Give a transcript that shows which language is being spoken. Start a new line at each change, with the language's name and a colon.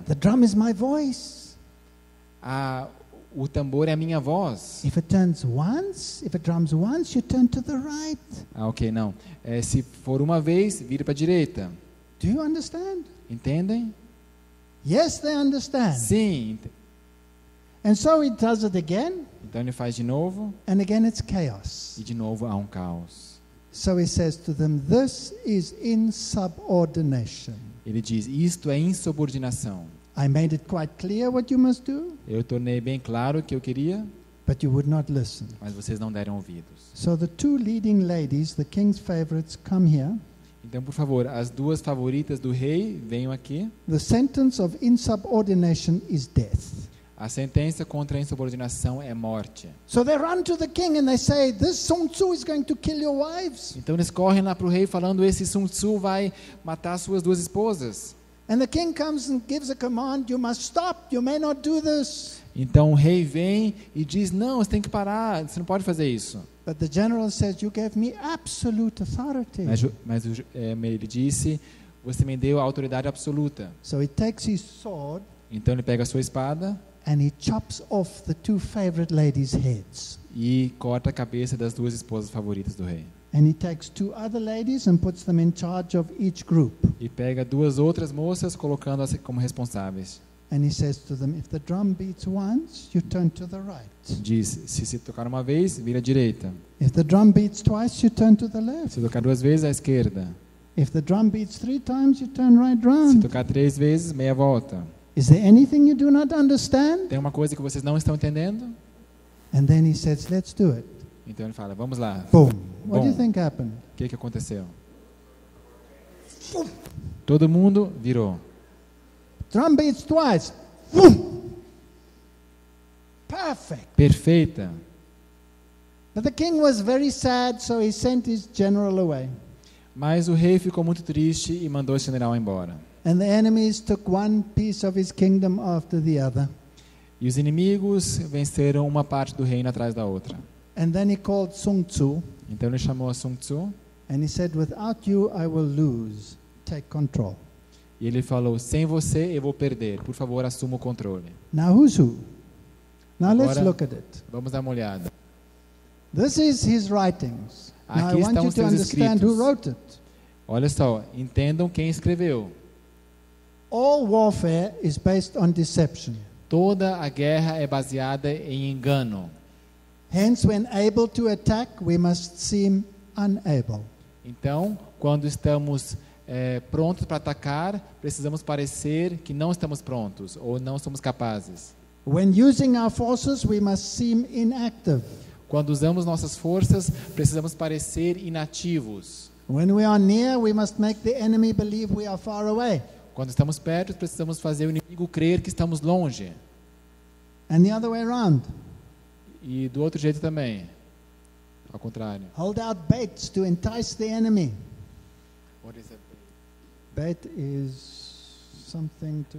English: The drum is my voice.
Portuguese: O tambor é a minha voz.
English: If it turns once, if it drums once, you turn to the right.
Portuguese: Okay, não. Se for uma vez, vira para a direita.
English: Do you understand?
Portuguese: Entendem?
English: Yes, they understand.
Portuguese: Sim.
English: And so he does it again.
Portuguese: Então ele faz de novo.
English: And again it's chaos.
Portuguese: E de novo há um caos.
English: So he says to them, this is insubordination.
Portuguese: Ele diz, isto é insubordinação.
English: I made it quite clear what you must do.
Portuguese: Eu tornei bem claro o que eu queria.
English: But you would not listen.
Portuguese: Mas vocês não deram ouvidos.
English: So the two leading ladies, the king's favorites, come here.
Portuguese: Então, por favor, as duas favoritas do rei venham aqui.
English: The sentence of insubordination is death.
Portuguese: A sentença contra a insubordinação é morte.
English: So they run to the king and they say, this Sun Tzu is going to kill your wives.
Portuguese: Então eles correm lá pro rei falando, esse Sun Tzu vai matar suas duas esposas.
English: And the king comes and gives a command, you must stop, you may not do this.
Portuguese: Então o rei vem e diz, não, você tem que parar, você não pode fazer isso.
English: But the general says, you gave me absolute authority.
Portuguese: Mas ele disse, você me deu autoridade absoluta.
English: So he takes his sword.
Portuguese: Então ele pega a sua espada.
English: And he chops off the two favorite ladies' heads.
Portuguese: E corta a cabeça das duas esposas favoritas do rei.
English: And he takes two other ladies and puts them in charge of each group.
Portuguese: E pega duas outras moças colocando-as como responsáveis.
English: And he says to them, if the drum beats once, you turn to the right.
Portuguese: Diz, se tocar uma vez, vira à direita.
English: If the drum beats twice, you turn to the left.
Portuguese: Se tocar duas vezes, à esquerda.
English: If the drum beats three times, you turn right round.
Portuguese: Se tocar três vezes, meia volta.
English: Is there anything you do not understand?
Portuguese: Tem uma coisa que vocês não estão entendendo?
English: And then he says, let's do it.
Portuguese: Então ele fala, vamos lá.
English: Boom. Boom. What do you think happened?
Portuguese: O que que aconteceu? Todo mundo virou.
English: Drum beats twice. Boom. Perfect.
Portuguese: Perfeita.
English: But the king was very sad, so he sent his general away.
Portuguese: Mas o rei ficou muito triste e mandou o general embora.
English: And the enemies took one piece of his kingdom after the other.
Portuguese: E os inimigos venceram uma parte do reino atrás da outra.
English: And then he called Sun Tzu.
Portuguese: Então ele chamou a Sun Tzu.
English: And he said, without you I will lose. Take control.
Portuguese: E ele falou: sem você eu vou perder. Por favor, assuma o controle.
English: Now who's who? Now let's look at it.
Portuguese: Vamos dar uma olhada.
English: This is his writings.
Portuguese: Aqui estão
English: I want you
Portuguese: seus
English: to
Portuguese: escritos.
English: Understand who wrote it.
Portuguese: Olha só, entendam quem escreveu.
English: All warfare is based on deception.
Portuguese: Toda a guerra é baseada em engano.
English: Hence, when able to attack, we must seem unable.
Portuguese: Então, quando estamos prontos para atacar, precisamos parecer que não estamos prontos ou não somos capazes.
English: When using our forces, we must seem inactive.
Portuguese: Quando usamos nossas forças, precisamos parecer inativos.
English: When we are near, we must make the enemy believe we are far away.
Portuguese: Quando estamos perto, precisamos fazer o inimigo crer que estamos longe.
English: And the other way around.
Portuguese: E do outro jeito também. Ao contrário.
English: Hold out baits to entice the enemy. What is that? Bait is something to.